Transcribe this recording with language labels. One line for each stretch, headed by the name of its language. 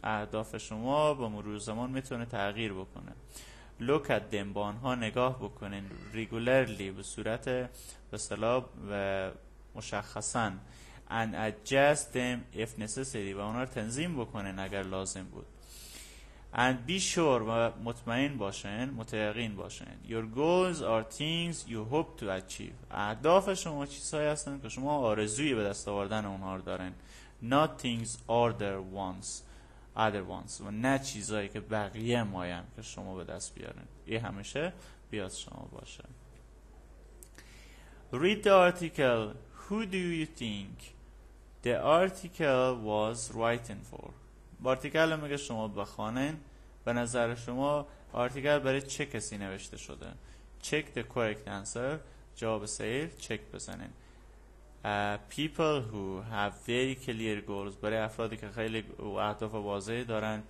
Persian: اهداف شما با مرور زمان میتونه تغییر بکنه.
English: Look at them.
Persian: با آنها نگاه بکنین.
English: Regularly
Persian: به صورت به اصطلاح و مشخصاً.
English: And adjust them if necessary.
Persian: و اونا رو تنظیم بکنن اگر لازم بود.
English: And be sure
Persian: و مطمئن باشن، متیقین باشن.
English: Your goals are things you hope to achieve.
Persian: اهداف شما چیزهایی هستن که شما آرزوی به دست آوردن اونا رو دارن.
English: Not things other ones.
Persian: و نه چیزهایی که بقیه مایم که شما به دست بیارن. این همیشه بیاد شما باشه.
English: Read the article. Who do you think the article was written for?
Persian: آرتیکل میگه شما بخونین به نظر شما آرتیکل برای چه کسی نوشته شده.
English: Check the correct answer.
Persian: جواب صحیح چک بزنین.
English: People who have very clear goals.
Persian: برای افرادی که خیلی اهداف واضحی دارن.